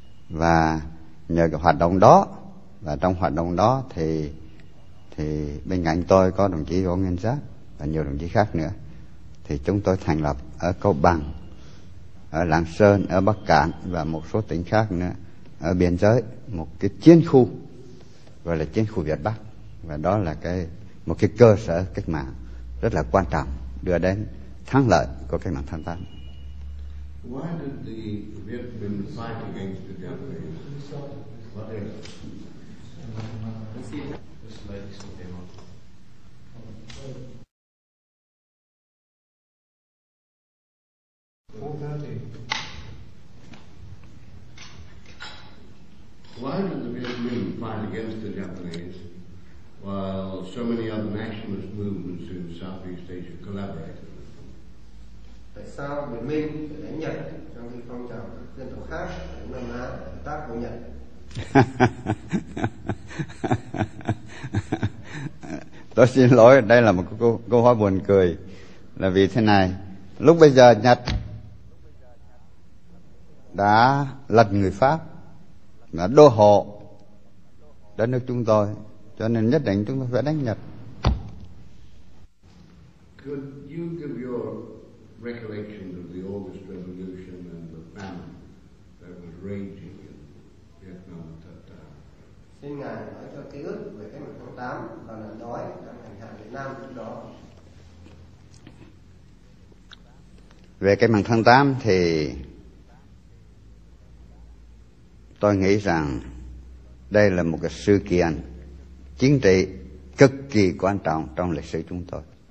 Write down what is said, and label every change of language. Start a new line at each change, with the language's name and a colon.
Vietnamese: Và nhờ cái hoạt động đó, và trong hoạt động đó thì bên cạnh tôi có đồng chí Võ Nguyên Giáp và nhiều đồng chí khác nữa, thì chúng tôi thành lập ở Cao Bằng, ở Lạng Sơn, ở Bắc Cạn và một số tỉnh khác nữa ở biên giới một cái chiến khu gọi là chiến khu Việt Bắc. Và đó là cái một cái cơ sở cách mạng rất là quan trọng đưa đến thắng lợi của cách mạng tháng Tám.
English: Why did the Viet Minh fight against the Japanese? What is it? Why did the Viet Minh fight against the Japanese while so many other nationalist movements in Southeast Asia collaborated with them?
Vietnamese: Tại sao Việt Minh phải đánh Nhật trong khi phong trào dân tộc khác ở Nam Á hợp tác với Nhật? Tôi xin lỗi, đây là một câu hỏi buồn cười, là vì thế này, lúc bây giờ Nhật đã lật người Pháp và đô hộ đất nước chúng tôi, cho nên nhất định chúng tôi phải đánh Nhật.
English: Could you give your recollection of the August Revolution and the famine that was raging in Vietnam at that time?
Vietnamese: Xin ngài nói cho ký ức về cái mùa tháng 8 và nạn đói đang hành hạ Việt Nam lúc đó. Về cái mạng tháng 8 thì tôi nghĩ rằng đây là một cái sự kiện chính trị cực kỳ quan trọng trong lịch sử chúng tôi.